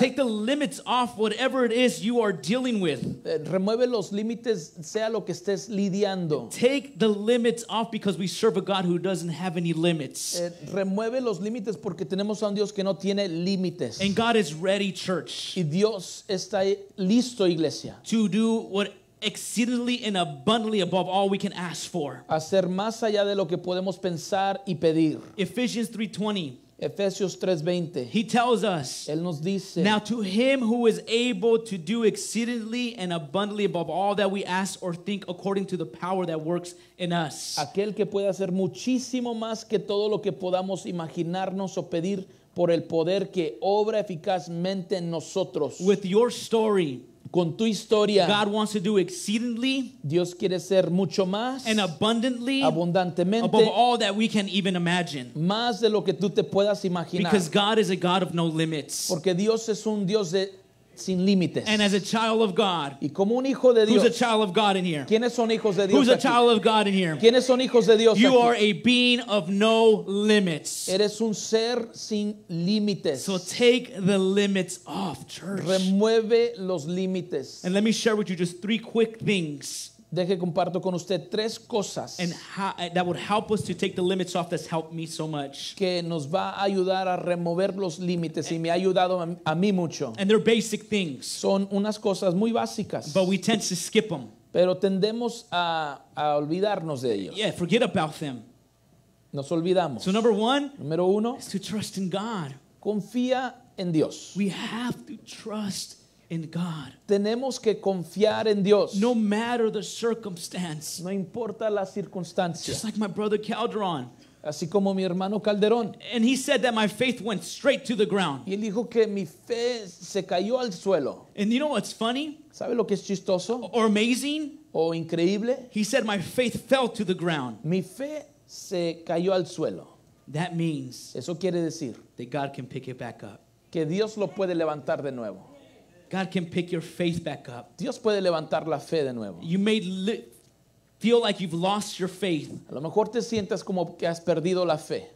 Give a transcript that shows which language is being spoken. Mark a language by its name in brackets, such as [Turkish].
[English] Take the limits off whatever it is you are dealing with. [Spanish] Remueve los límites, sea lo que estés lidiando. [English] Take the limits off because we serve a God who doesn't have any limits. [Spanish] Remueve los límites porque tenemos a un Dios que no tiene límites. [English] And God is ready, church. [Spanish] Y Dios está listo, iglesia. [English] To do what exceedingly and abundantly above all we can ask for. [Spanish] Hacer más allá de lo que podemos pensar y pedir. [English] Ephesians 3:20. [Spanish] Efesios 3:20. [English] He tells us. [Spanish] Él nos dice, [English] now to him who is able to do exceedingly and abundantly above all that we ask or think according to the power that works in us. [Spanish] Aquel que puede hacer muchísimo más que todo lo que podamos imaginarnos o pedir por el poder que obra eficazmente en nosotros. [English] With your story. [Spanish] Con tu historia, [English] God wants to do exceedingly, [Spanish] Dios quiere ser mucho más, [English] and abundantly, [Spanish] abundantemente, [English] above all that we can even imagine, [Spanish] más de lo que tú te puedas imaginar, [English] because God is a God of no limits, [Spanish] porque Dios es un Dios de sin límites. [English] And as a child of God, [Spanish] y como un hijo de Dios, [English] who's a child of God in here? [Spanish] ¿Quiénes son hijos de Dios? [English] Who's [Spanish] aquí? [English] A child of God in here? [Spanish] ¿Quiénes son hijos de Dios? [English] You [Spanish] aquí? [English] Are a being of no limits. [Spanish] Eres un ser sin límites. [English] So take the limits off, church. [Spanish] Remueve los límites. [English] And let me share with you just three quick things. [Spanish] Deje comparto con usted tres cosas. [English] And that would help us to take the limits off. That's helped me so much. [Spanish] Que nos va a ayudar a remover los límites y me ha ayudado a mí mucho. [English] And they're basic things. [Spanish] Son unas cosas muy básicas. [English] But we tend to skip them. [Spanish] Pero tendemos a olvidarnos de ellos. [English] Yeah, forget about them. [Spanish] Nos olvidamos. [English] So number one. [Spanish] Número uno. [English] Is to trust in God. [Spanish] Confía en Dios. [English] We have to trust in God. [Spanish] Tenemos que confiar en Dios. [English] No matter the circumstance. [Spanish] No importa la circunstancia. [English] Just like my brother Calderon. [Spanish] Así como mi hermano Calderón. [English] And he said that my faith went straight to the ground. [Spanish] Y él dijo que mi fe se cayó al suelo. [English] And you know what's funny? [Spanish] ¿Sabe lo que es chistoso? [English] Or amazing? [Spanish] O increíble? [English] He said my faith fell to the ground. [Spanish] Mi fe se cayó al suelo. [English] That means. [Spanish] Eso quiere decir. [English] That God can pick it back up. [Spanish] Que Dios lo puede levantar de nuevo. [English] God can pick your faith back up. [Spanish] Dios puede levantar la fe de nuevo. [English] You may feel like you've lost your faith. [Spanish] A lo mejor te sientes como que has perdido la fe.